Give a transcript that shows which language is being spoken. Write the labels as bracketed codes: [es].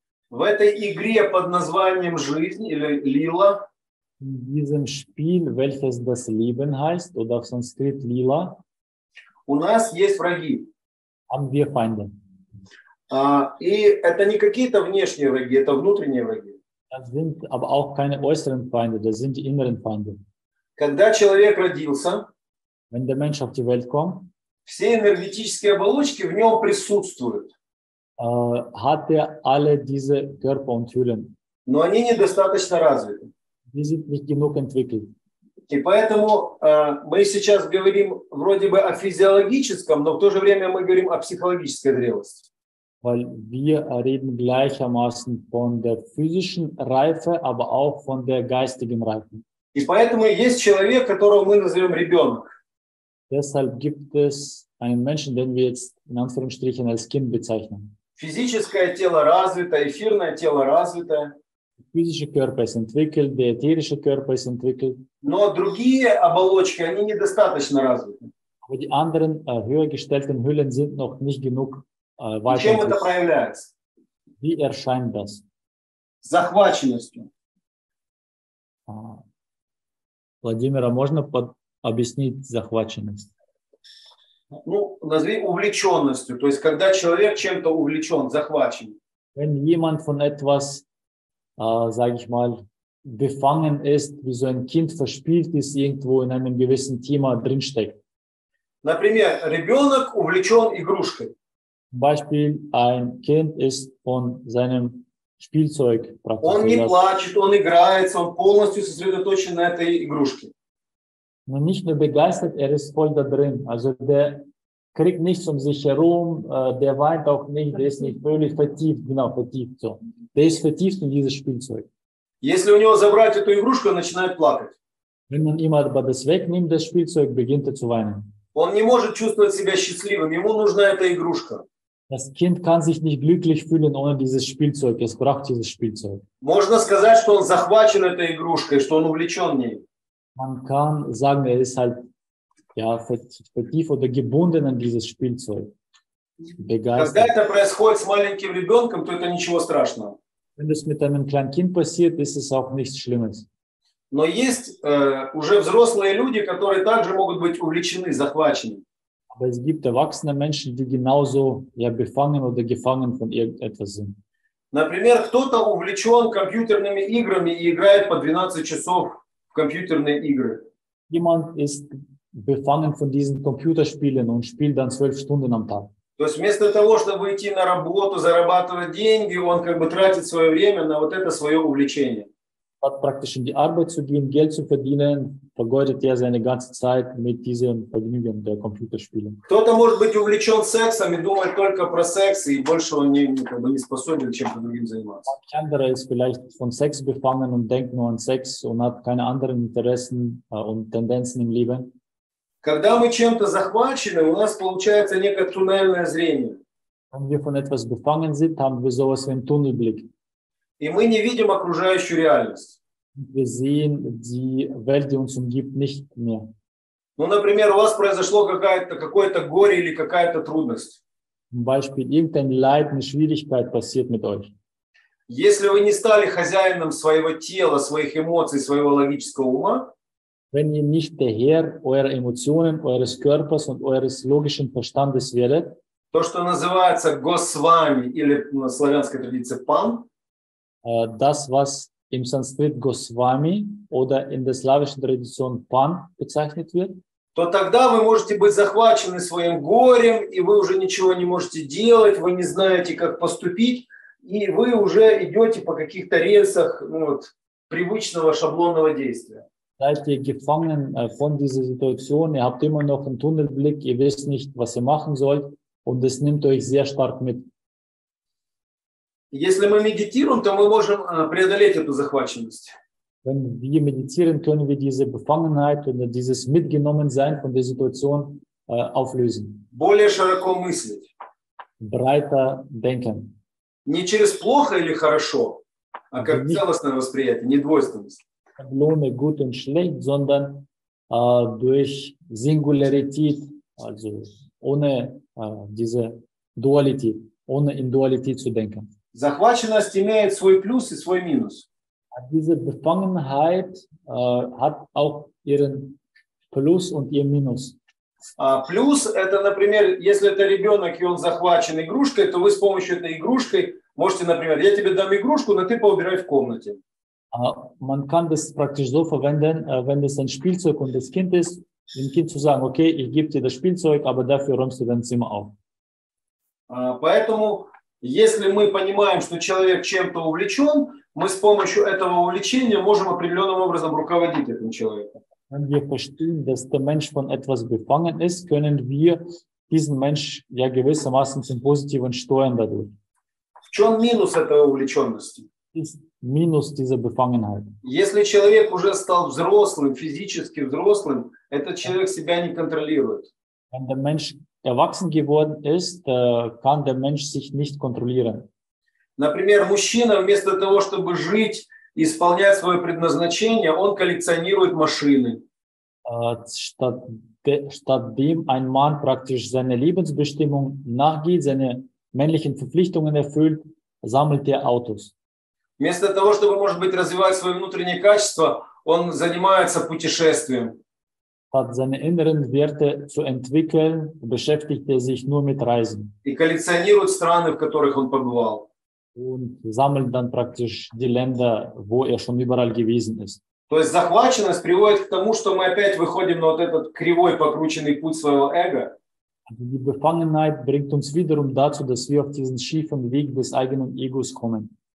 [ru] В этой игре под названием «Жизнь» или «Лила» [de] in diesem Spiel, welches das Leben heißt, oder auf Sanskrit Lila, [ru] у нас есть враги. [de] Haben wir Feinde. [ru] И это не какие-то внешние враги, это внутренние враги. [de] Das sind aber auch keine äußeren Feinde, das sind die inneren Feinde. [ru] Когда человек родился, [de] wenn der Mensch auf die Welt kommt, [ru] все энергетические оболочки в нем присутствуют. [de] Hat er alle diese Körper und Hüllen. [ru] Но они недостаточно развиты. [de] Die sind nicht genug entwickelt. [ru] И поэтому мы сейчас говорим вроде бы о физиологическом, но в то же время мы говорим о психологической зрелости. [de] Weil wir reden gleichermaßen von der physischen Reife, aber auch von der geistigen Reife. [ru] И поэтому есть человек, которого мы назовем ребенок. [de] Deshalb gibt es einen Menschen, den wir jetzt in Anführungsstrichen als Kind bezeichnen. [ru] Физическое тело развито, эфирное тело развито. Физический [de] Körper ist entwickelt, der ätherische Körper ist entwickelt. [ru] Но другие оболочки, они недостаточно развиты. [de] Aber die anderen höher gestellten Hüllen sind noch nicht genug weit. [ru] Чем это проявляется? [de] Wie erscheint das? [ru] Захваченностью. Владимира, можно объяснить захваченность? Ну, назови увлеченностью. То есть, когда человек чем-то увлечен, захвачен. [de] Wenn jemand von etwas, sage ich mal, befangen ist, wie so ein Kind verspielt ist, irgendwo in einem gewissen Thema drinsteckt. [ru] Например, ребенок увлечен игрушкой. [de] Beispiel, ein Kind ist von seinem Spielzeug praktisch. [ru] Он не плачет, он играется, он полностью сосредоточен на этой игрушке. Но [de] nicht nur begeistert, er ist voll da drin. Also der kriegt nichts um sich herum, der weint auch nicht, der ist nicht völlig vertieft, genau, vertieft so. Der ist vertieft in dieses Spielzeug. [ru] Если у него забрать эту игрушку, он начинает плакать. [de] Wenn man ihm aber das wegnimmt, das Spielzeug, beginnt er zu weinen. [ru] Он не может чувствовать себя счастливым, ему нужна эта игрушка. [de] Das Kind kann sich nicht glücklich fühlen ohne dieses Spielzeug, es braucht dieses Spielzeug. [ru] Можно сказать, что он захвачен этой игрушкой, что он увлечен ней. [de] Man kann sagen, er ist halt ja, vertieft oder gebunden an dieses Spielzeug. Begeistert. [ru] Когда это происходит с маленьким ребенком, то это ничего страшного. [de] Wenn das mit einem kleinen Kind passiert, ist es auch nichts Schlimmes. [ru] Но есть уже взрослые люди, которые также могут быть увлечены, захвачены. [de] Aber es gibt erwachsene Menschen, die genauso ja, befangen oder gefangen von irgendetwas sind. [ru] Например, кто-то увлечен компьютерными играми и играет по 12 часов в компьютерные игры. [de] Jemand ist befangen von diesen Computerspielen und spielt dann 12 Stunden am Tag. [ru] То есть вместо того, чтобы идти на работу, зарабатывать деньги, он как бы тратит свое время на вот это свое увлечение. [de] Hat praktisch in die Arbeit zu gehen, Geld zu verdienen, vergeudet er seine ganze Zeit mit diesem Vergnügen der Computerspiele. [ru] Кто-то может быть увлечен сексом и думает только про секс и больше он не, как бы не способен чем-то другим заниматься. [de] Andere ist vielleicht von Sex befangen und denkt nur an Sex und hat keine anderen Interessen und Tendenzen im Leben. [ru] Когда мы чем-то захвачены, у нас получается некое туннельное зрение. [de] Wenn wir von etwas befangen sind, haben wir sowas wie einen Tunnelblick. [ru] И мы не видим окружающую реальность. [de] Wir sehen die Welt, die uns umgibt, nicht mehr. [ru] Ну, например, у вас произошло какое-то горе или какая-то трудность. [de] Zum Beispiel, irgendein Leid, eine Schwierigkeit passiert mit euch. [ru] Если вы не стали хозяином своего тела, своих эмоций, своего логического ума, [de] wenn ihr nicht der Herr eurer Emotionen, eures Körpers und eures logischen Verstandes werdet, [ru] то, что называется госвами или на славянской традиции пан, [de] das, was im Sanskrit Goswami oder in der slawischen Tradition Pan bezeichnet wird, [ru] то тогда вы можете быть захвачены своим горем, и вы уже ничего не можете делать, вы не знаете, как поступить, и вы уже идете по каких-то рельсах ну, вот, привычного шаблонного действия. [de] Seid ihr gefangen von dieser Situation, ihr habt immer noch einen Tunnelblick, ihr wisst nicht, was ihr machen sollt, und es nimmt euch sehr stark mit. [ru] Если мы медитируем, то мы можем преодолеть эту захваченность. [de] Wenn wir meditieren, können wir diese Befangenheit oder dieses Mitgenommensein von der Situation auflösen. [ru] Более широко мыслить. [de] Breiter denken. [ru] Не через плохо или хорошо, а как [de] nicht [ru] целостное восприятие, не двойственность. [de] Schablone gut und schlecht, sondern durch Singularität, also ohne diese Dualität, ohne in Dualität zu denken. [ru] Захваченность имеет свой плюс и свой минус. [de] Diese Befangenheit hat auch ihren Plus und ihr Minus. [ru] Плюс – это, например, если это ребенок, и он захвачен игрушкой, то вы с помощью этой игрушки можете, например, я тебе дам игрушку, но ты поубирай в комнате. [de] Man kann das praktisch so verwenden, wenn es ein Spielzeug und das Kind ist, dem Kind zu sagen, okay, ich gebe dir das Spielzeug, aber dafür räumst du dein Zimmer auf. [ru] Поэтому если мы понимаем, что человек чем-то увлечен, мы с помощью этого увлечения можем определенным образом руководить этим человеком. [de] Wenn wir verstehen, dass der Mensch von etwas befangen ist, können wir diesen Mensch ja gewissermaßen zum Positiven steuern dadurch. [ru] В чем минус этой увлеченности? [de] Ist [ru] минус [de] dieser Befangenheit. [ru] Если человек уже стал взрослым, физически взрослым, этот человек себя не контролирует. [de] Wenn der Mensch erwachsen geworden ist, kann der Mensch sich nicht kontrollieren. [ru] Например, мужчина вместо того, чтобы жить и исполнять свое предназначение, он коллекционирует машины. [de] Statt dem ein Mann praktisch seine Lebensbestimmung nachgeht, seine männlichen Verpflichtungen erfüllt, sammelt er Autos. [ru] Вместо того, чтобы, может быть, развивать свои внутренние качества, он занимается путешествием. [de] Hat seine inneren Werte zu entwickeln, beschäftigt er sich nur mit Reisen. [ru] И коллекционирует страны, в которых он побывал. [de] Und sammelt dann praktisch die Länder, wo schon überall gewesen ist. [ru] То есть захваченность приводит к тому, что мы опять выходим на вот этот кривой, покрученный путь своего эго. [de] Die Befangenheit bringt uns wiederum dazu, dass wir auf diesen schiefen Weg des eigenen Egos kommen.